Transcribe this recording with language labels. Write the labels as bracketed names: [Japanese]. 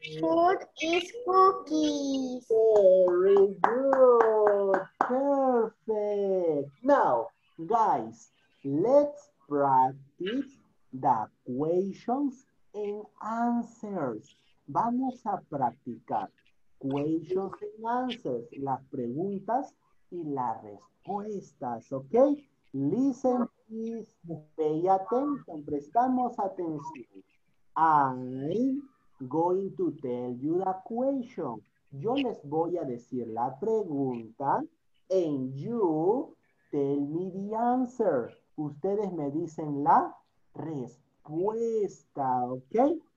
[English] My favorite food is cookies. Very good. Perfect. Now, guys, let's practice the questions and answers. [Spanish] Vamos a practicar [English] questions and answers, [Spanish] las preguntas y las respuestas, ¿ok? [English] Listen, please, pay attention, [Spanish] prestamos atención. [English] I'm going to tell you the question. [Spanish] Yo les voy a decir la pregunta [English] and you tell me the answer. [Spanish] Ustedes me dicen la respuesta, ¿ok?